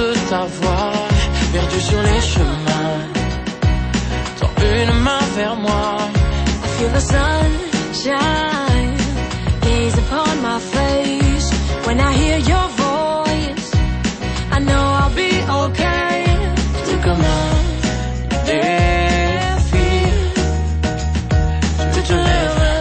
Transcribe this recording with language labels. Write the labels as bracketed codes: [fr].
[fr] Ta voix perdue sur les chemins, tends une main vers moi. [en] I feel the sunshine gaze upon my face. When I hear your voice, I know I'll be okay. [fr] Tu commandes des filles, je te lève.